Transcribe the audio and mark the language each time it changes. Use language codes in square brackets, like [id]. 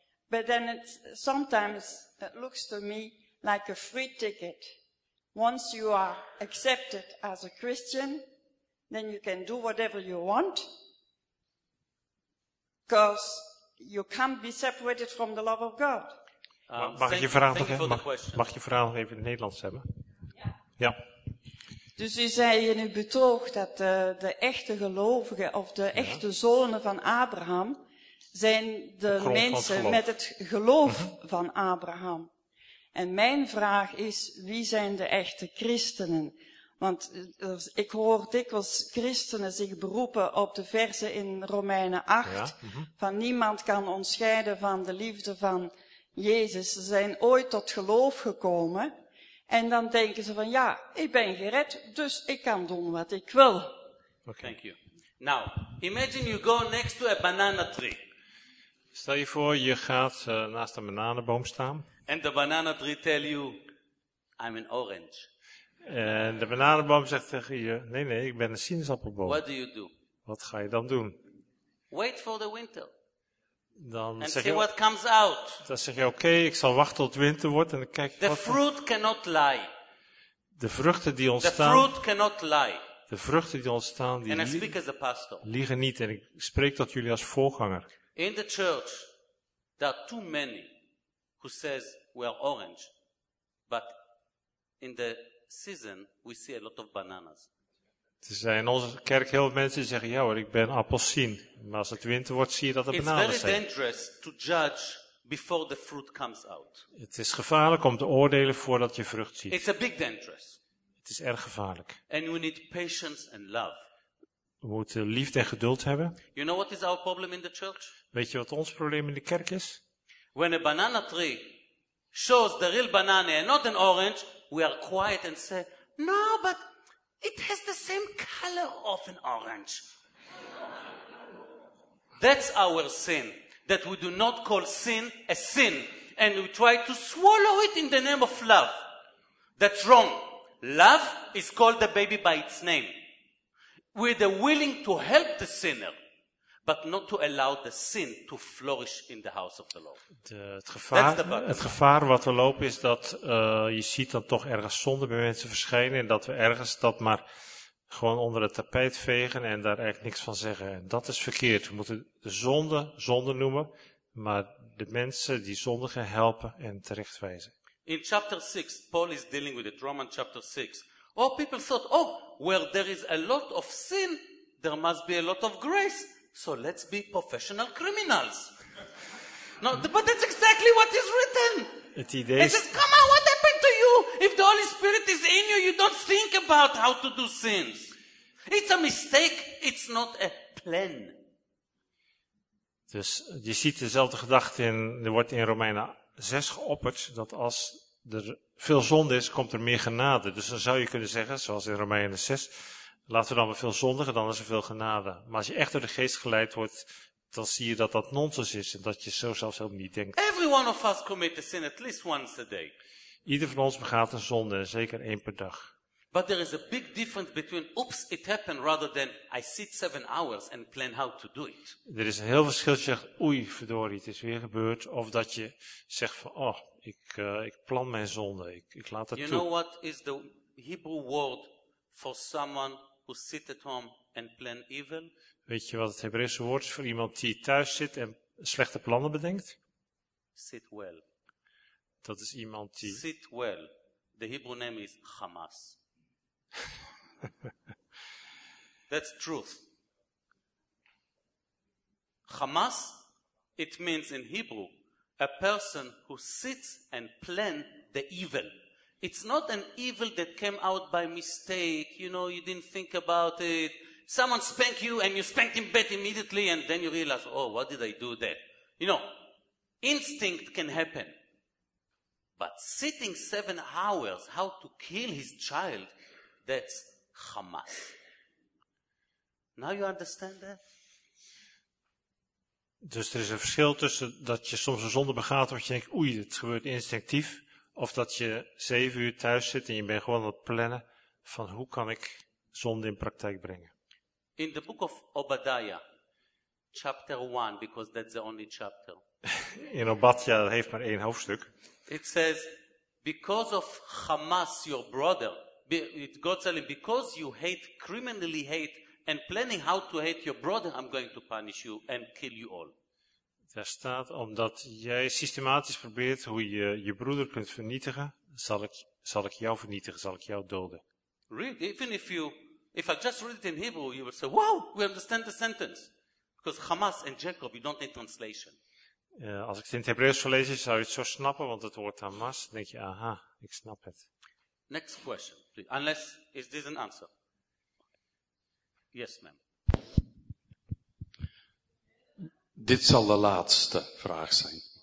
[en] But then it's, sometimes it looks to me like a free ticket. Once you are accepted as a Christian, then you can do whatever you want, because you can't be separated from the love of God. [nl] Mag je verhaal nog even in het Nederlands hebben? Ja. Ja. Dus u zei in uw betoog dat de echte gelovigen of de echte zonen van Abraham zijn de mensen met het geloof van Abraham. En mijn vraag is, wie zijn de echte christenen? Want ik hoor dikwijls christenen zich beroepen op de verse in Romeinen 8, van niemand kan ons scheiden van de liefde van Jezus. Ze zijn ooit tot geloof gekomen. En dan denken ze van, ja, ik ben gered, dus ik kan doen wat ik wil. [en] Okay. Thank you. Now, imagine you go next to a banana tree. [nl] Stel je voor, je gaat naast een bananenboom staan. [en] And the banana tree tell you, I'm an orange. [nl] En de bananenboom zegt tegen je, nee, ik ben een sinaasappelboom. [en] What do you do? [nl] Wat ga je dan doen? [en] Wait for the winter. [nl] Dan [en] and [nl] zeg [en] see [nl] je, [en] what comes out. [nl] Dan zeg je, okay, ik zal wachten tot het winter wordt en dan kijk [en] the fruit cannot lie. [nl] De vruchten die ontstaan. [en] The fruit cannot lie. [nl] De vruchten die ontstaan, die liegen niet. En ik spreek tot jullie als voorganger. [en] In the church, there are too many who says we are orange, but in the season we see a lot of bananas. [nl] Er zijn in onze kerk heel veel mensen die zeggen, ja hoor, ik ben appelsien. Maar als het winter wordt, zie je dat er bananen zijn. [en] It's very dangerous to judge before the fruit comes out. [nl] Het is gevaarlijk om te oordelen voordat je vrucht ziet. [en] It's a big dangerous. [nl] Het is erg gevaarlijk. [en] And we need patience and love. [nl] We moeten liefde en geduld hebben. [en] You know what is our problem in the church? [nl] Weet je wat ons probleem in de kerk is? [en] When a banana tree shows the real banana and not an orange, we are quiet and say, no, but it has the same color of an orange. That's our sin. That we do not call sin a sin. And we try to swallow it in the name of love. That's wrong. Love is called the baby by its name. We're the willing to help the sinner, but not to allow the sin to flourish in the house of the Lord. [nl] Het gevaar wat we lopen is dat je ziet dan toch ergens zonde bij mensen verschijnen en dat we ergens dat maar gewoon onder het tapijt vegen en daar eigenlijk niks van zeggen. En dat is verkeerd. We moeten zonde noemen, maar de mensen die zondigen helpen en terechtwijzen. [en] In chapter 6, Paul is dealing with it, Romans chapter 6. All people thought, oh, where there is a lot of sin, there must be a lot of grace. So let's be professional criminals. No, but that's exactly what is written. [nl] Het idee is. [en] It says, come on, what happened to you? If the Holy Spirit is in you, you don't think about how to do sins. It's a mistake, it's not a plan. [nl] Dus je ziet dezelfde gedachte in, er wordt in Romeinen 6 geopperd, dat als er veel zonde is, komt er meer genade. Dus dan zou je kunnen zeggen, zoals in Romeinen 6, laten we dan maar veel zondigen, dan is er veel genade. Maar als je echt door de geest geleid wordt, dan zie je dat dat nonsens is en dat je zo zelfs helemaal niet denkt. [en] Every one of us commits a sin at least once a day. [nl] Ieder van ons begaat een zonde, zeker 1 per dag. [en] But there is a big difference between oops, it happened, rather than I sit 7 hours and plan how to do it. [nl] Er is een heel verschil, je zegt, oei, verdorie, het is weer gebeurd. Of dat je zegt van, oh, ik plan mijn zonde, ik laat het [en] you [nl] toe. [en] You know what is the Hebrew word for someone who sits at home and plan evil? [nl] Weet je wat het Hebreeuwse woord is voor iemand die thuis zit en slechte plannen bedenkt? [en] Sit well. [nl] Dat is iemand die... [en] Sit well. The Hebrew name is Hamas. That's truth. Hamas, it means in Hebrew, a person who sits and plans the evil. It's not an evil that came out by mistake, you know, you didn't think about it. Someone spanked you and you spanked him back immediately and then you realize, oh, what did I do there? You know, instinct can happen. But sitting 7 hours, how to kill his child, that's Hamas. Now you understand that? [nl] Dus er is een verschil tussen dat je soms een zonde begaat, omdat je denkt, oei, het gebeurt instinctief. Of dat je 7 uur thuis zit en je bent gewoon aan het plannen van hoe kan ik zonde in praktijk brengen. [en] In the book of Obadiah, chapter 1 because that's the only chapter. [nl] In Obadja heeft maar één hoofdstuk. [en] It says because of Hamas your brother, God telling because you hate criminally hate and planning how to hate your brother, I'm going to punish you and kill you all. [nl] Daar staat omdat jij systematisch probeert hoe je je broeder kunt vernietigen, zal ik jou vernietigen, zal ik jou doden. [en] Read even if I just read it in Hebrew, you will say, wow, we understand the sentence. Because Hamas and Jacob, you don't need translation. [nl] Als ik het in het Hebreeuws zou lezen, zou je het zo snappen, want het woord Hamas, denk je, aha, ik snap het. [en] Next question, please. Unless, is this an answer? Yes, ma'am. [nl] Dit zal de laatste vraag zijn.